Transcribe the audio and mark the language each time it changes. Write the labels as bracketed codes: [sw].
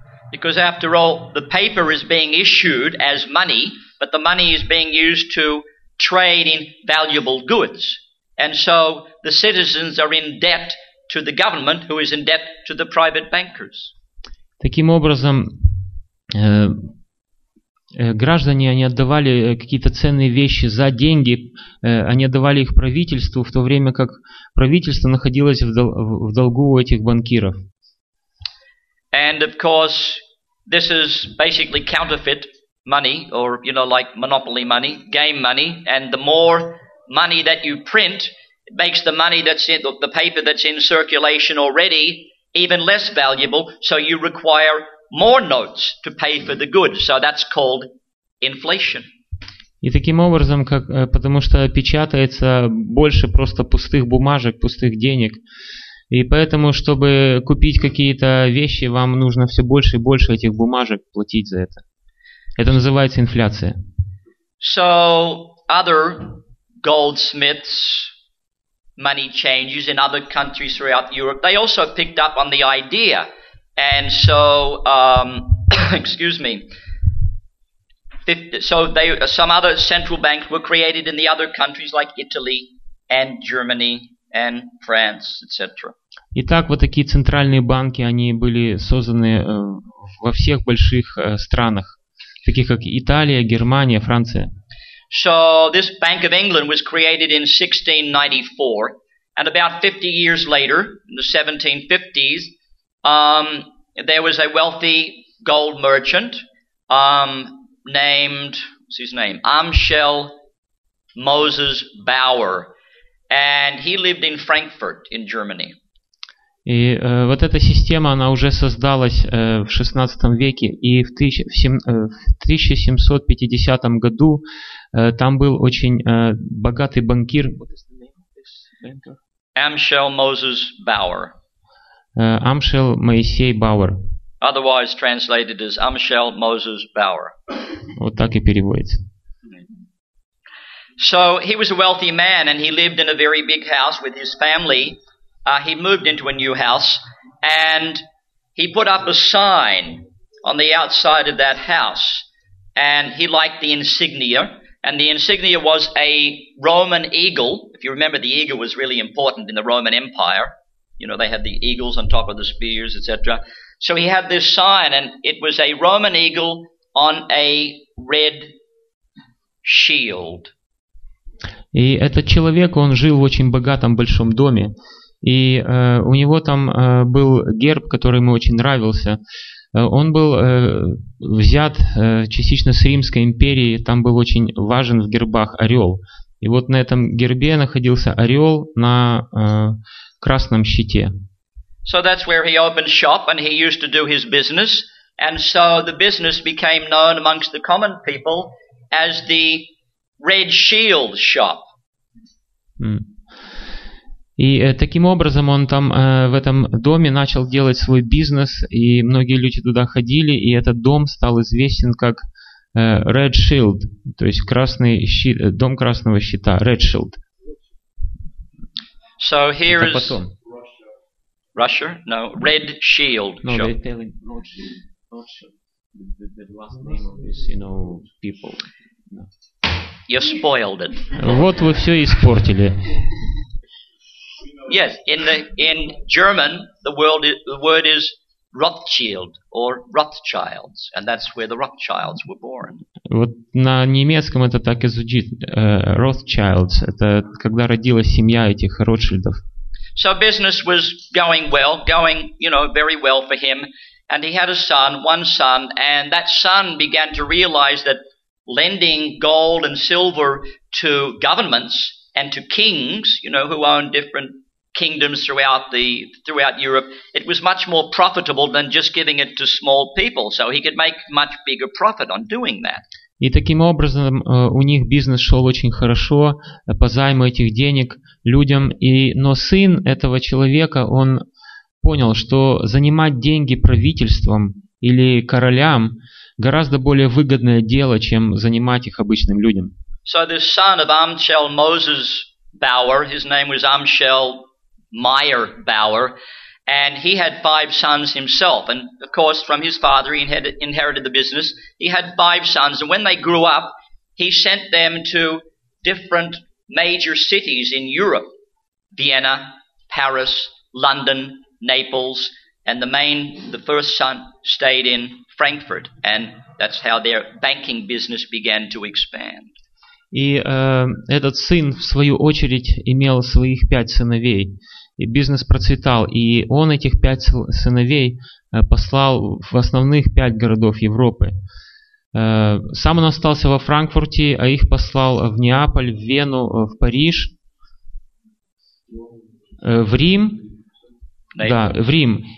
[en] Because after all, the paper is being issued as money, but the money is being used to trade in valuable goods. And so the citizens are in debt to the government, who is in debt to the private bankers. [ru] Таким образом, граждане, они отдавали какие-то ценные вещи за деньги, они отдавали их правительству, в то время как правительство находилось в долгу у этих банкиров. [en] And of course, this is basically counterfeit money, or, you know, like monopoly money, game money, and the more money that you print, it makes the money that's in the paper that's in circulation already even less valuable, so you require more notes to pay for the goods. So that's called inflation. [ru] И таким образом, как, потому что печатается больше просто пустых бумажек, пустых денег, и поэтому, чтобы купить какие-то вещи, вам нужно все больше и больше этих бумажек платить за это. Это называется инфляция. [en] So other goldsmiths, money changers in other countries throughout Europe, they also picked up on the idea. And so, excuse me, some other central banks were created in the other countries like Italy and Germany and France, etc. [ru] Итак, вот такие центральные банки, они были созданы во всех больших странах, таких как Италия, Германия, Франция. [en] So this Bank of England was created in 1694, and about 50 years later, in the 1750s, there was a wealthy gold merchant named, what's his name, Amschel Moses Bauer, and he lived in Frankfurt in Germany. [ru] И вот эта система, она уже создалась в 16 веке, и в 1750 году там был очень богатый банкир [en] Amschel Moses Bauer. [ru] Amschel Моисей Бауэр. [en] Otherwise translated as Amschel Moses Bauer. [ru] Вот так и переводится. [en] So he was a wealthy man, and he lived in a very big house with his family. He moved into a new house, and he put up a sign on the outside of that house, and he liked the insignia, and the insignia was a Roman eagle. If you remember, the eagle was really important in the Roman Empire. You know, they had the eagles on top of the spears, etc. So he had this sign, and it was a Roman eagle on a red shield. [ru] И этот человек, он жил в очень богатом большом доме. И у него там был герб, который ему очень нравился. Он был взят частично с Римской империи, там был очень важен в гербах орел. И вот на этом гербе находился орел на красном щите. [en] So that's where he opened shop, and he used to do his business. And so the business became known amongst the common people as the Red Shield Shop. [ru] И таким образом он там в этом доме начал делать свой бизнес, и многие люди туда ходили, и этот дом стал известен как Red Shield, то есть красный щит, дом красного щита, Red Shield. [en] So here is Russia? No, Red Shield. No, they're telling Red Shield. The last name of this, you know, people. You spoiled it. [ru] Вот вы все испортили. [en] Yes, in German, the word is Rothschild, or Rothschilds, and that's where the Rothschilds were born. [ru] Вот на немецком это так и звучит. [en] Rothschilds. [ru] Это когда родилась семья этих Ротшильдов. [en] So business was going well, going, you know, very well for him. And he had a son, one son, and that son began to realize that lending gold and silver to governments and to kings, you know, who owned different kingdoms throughout Europe, it was much more profitable than just giving it to small people. So he could make much bigger profit on doing that. [ru] И таким образом у них бизнес шел очень хорошо по займу этих денег людям. Но сын этого человека, он понял, что занимать деньги правительством или королям гораздо более выгодное дело, чем занимать их обычным людям. [en] So the son of Amschel Moses Bauer, his name was Amschel Meyer Bauer, and he had five sons himself. And of course, from his father, he had inherited the business. He had five sons, and when they grew up, he sent them to different major cities in Europe: Vienna, Paris, London, Naples, and the first son stayed in Frankfurt, and that's how their banking business began to expand. [ru] И этот сын, в свою очередь, имел своих пять сыновей. И бизнес процветал, и он этих пять сыновей послал в основных пять городов Европы. Сам он остался во Франкфурте, а их послал в Неаполь, в Вену, в Париж, в Рим. Да, в Рим.